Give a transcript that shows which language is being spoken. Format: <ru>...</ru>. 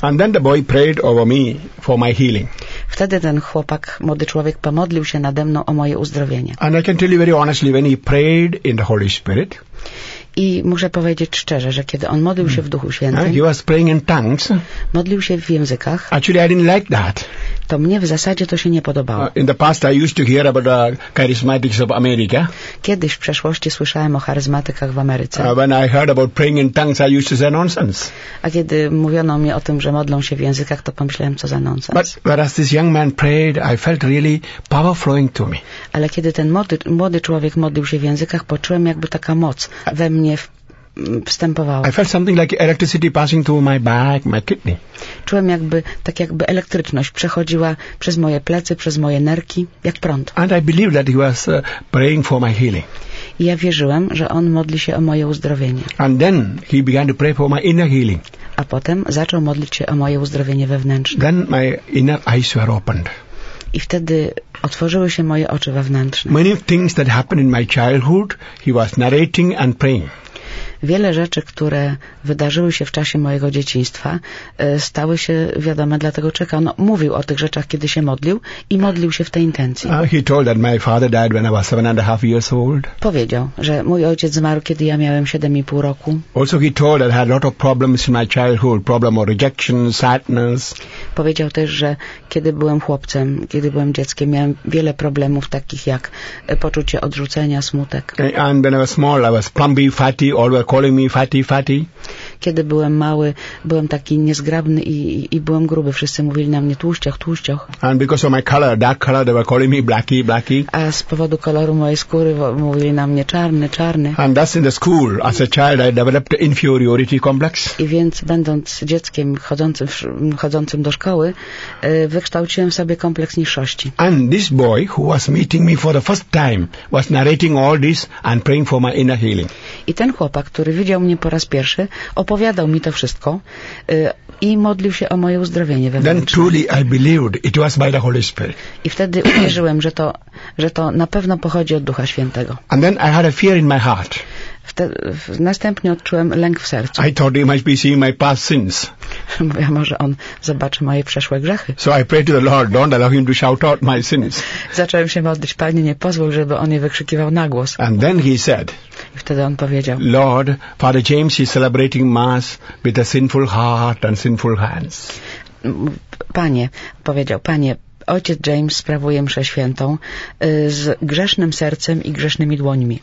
<en>And then the boy prayed over me for my healing.</en> <pl>Wtedy ten chłopak, młody człowiek, pomodlił się nade mną o moje uzdrowienie.</pl> <en>And I can tell you very honestly, when he prayed in the Holy Spirit.</en> <pl>I muszę powiedzieć szczerze, że kiedy on modlił się w Duchu Świętym.</pl> <en>He was praying in tongues.</en> <pl>Modlił się w językach.</pl> <en>Actually, I didn't like that.</en> <pl>To mnie w zasadzie to się nie podobało.</pl> <en>In the past I used to hear about the charismatics of America.</en> <pl>Kiedyś w przeszłości słyszałem o charyzmatykach w Ameryce.</pl> <en>When I heard about praying in tongues, I used to say nonsense.</en> <pl>A kiedy mówiono mi o tym, że modlą się w językach, to pomyślałem, co za nonsense.</pl> <en>But whereas this young man prayed, I felt really power flowing to me.</en> <pl>Ale kiedy ten młody człowiek modlił się w językach, poczułem jakby taka moc we mnie wstępowała.</pl> <en>I felt something like electricity passing through my back, my kidney.</en> <pl>Czułem jakby, tak jakby elektryczność przechodziła przez moje plecy, przez moje nerki, jak prąd.</pl> <en>And I believed that he was praying for my healing.</en> <pl>I ja wierzyłem, że on modli się o moje uzdrowienie.</pl> <en>And then he began to pray for my inner healing.</en> <pl>A potem zaczął modlić się o moje uzdrowienie wewnętrzne.</pl> <en>Then my inner eyes were opened.</en> <pl>I wtedy otworzyły się moje oczy wewnętrzne.</pl> <en>Many things that happened in my childhood, he was narrating and praying.</en> <pl>Wiele rzeczy, które wydarzyły się w czasie mojego dzieciństwa, stały się wiadome dla tego człowieka. On mówił o tych rzeczach, kiedy się modlił i modlił się w tej intencji.</pl> <en>He told that my father died when I was 7.5 years old.</en> <pl>Powiedział, że mój ojciec zmarł, kiedy ja miałem 7.5 roku.</pl> <en>Also he told that I had a lot of problems in my childhood, problem of rejection, sadness.</en> <pl>Powiedział też, że kiedy byłem chłopcem, kiedy byłem dzieckiem, miałem wiele problemów takich jak poczucie odrzucenia, smutek.</pl> <en>And when I was small, I was plumpy, fatty, always calling me fatty, fatty.</en> <pl>Kiedy byłem mały, byłem taki niezgrabny i byłem gruby. Wszyscy mówili na mnie tłuściach, tłuściach.</pl> <en>And because of my color, dark color, they were calling me blacky, blacky.</en> <pl>A z powodu koloru mojej skóry mówili na mnie czarny, czarny.</pl> <en>And thus in the school, as a child, I developed an inferiority complex.</en> <pl>I więc będąc dzieckiem chodzącym do szkoły, wykształciłem sobie kompleks niższości.</pl> <en>And this boy, who was meeting me for the first time, was narrating all this and praying for my inner healing.</en> <pl>I ten chłopak, który widział mnie po raz pierwszy, opowiadał mi to wszystko i modlił się o moje uzdrowienie wewnętrzne.</pl> <en>Then truly I believed it was by the Holy Spirit.</en> <pl>I wtedy uwierzyłem, że to na pewno pochodzi od Ducha Świętego.</pl> <en>And then I had a fear in my heart.</en> <pl>Następnie odczułem lęk w sercu.</pl> <en>I thought he might be seeing my past sins.</en> <pl>Mówiłem, może on zobaczy moje przeszłe grzechy.</pl> <en>So I prayed to the Lord, don't allow him to shout out my sins.</en> <pl>Zacząłem się modlić, Panie, nie pozwól, żeby on je wykrzykiwał na głos.</pl> <en>And then he said.</en> <pl>I wtedy on powiedział.</pl> <en>Lord, Father James is celebrating mass with a sinful heart and sinful hands.</en> <pl>Panie, powiedział, Panie, ojciec James sprawuje mszę świętą z grzesznym sercem i grzesznymi dłońmi.</pl>